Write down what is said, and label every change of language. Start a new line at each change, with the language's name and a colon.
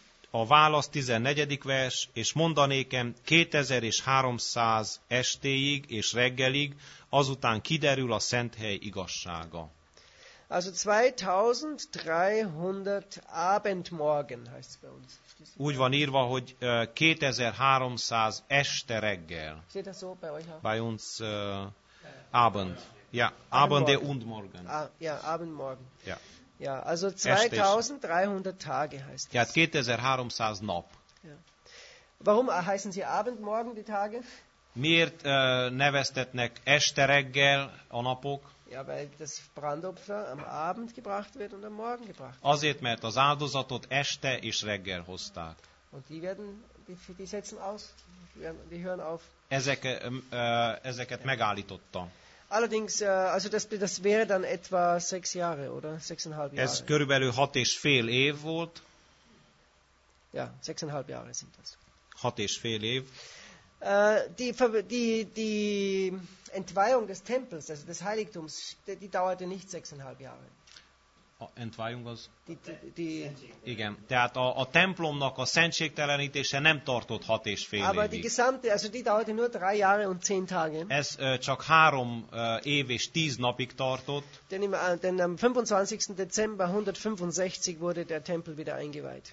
Hungarian: A válasz 14. vers, és mondanékem 2300 estéig és reggelig, azután kiderül a szent hely igazsága.
German: Also 2300 Abendmorgen heißt es bei uns.
Hungarian: Úgy van írva, hogy 2300 este reggel.
German: Steht das so bei euch auch? Bei uns Abend. Ja, Abend und Morgen. Ja, Abend und Morgen. Ja. Ja, also 2300 Tage heißt es.
Hungarian: Ja, 2300 nap. Ja.
German: Warum heißen sie Abendmorgen die Tage?
Hungarian: Miért neveztetnek este reggel a napok?
German: Ja, weil das Brandopfer am Abend gebracht wird und am Morgen gebracht wird.
Hungarian: Azért, mert az áldozatot este és reggel hozták.
German: Und die werden, die setzen aus, die hören auf.
Hungarian: Ezeket ja. Megállította.
German: Allerdings, also das wäre dann etwa 6 Jahre, oder? 6,5 Jahre.
Hungarian: Ez körülbelül 6,5 év volt.
German: Ja, 6,5 Jahre sind das.
Hungarian: 6,5 év.
German: Die Entweihung des Tempels, also des Heiligtums, die dauerte nicht 6,5 Jahre.
Hungarian: A Entweihung az? Igen, tehát a templomnak a szentségtelenítése nem tartott 6,5 évig.
German: Aber die gesamte, also die dauerte nur 3 Jahre und 10 Tage.
Hungarian: Ez csak 3 év és 10 napig tartott.
German: Denn am 25. Dezember 165 wurde der Tempel wieder eingeweiht.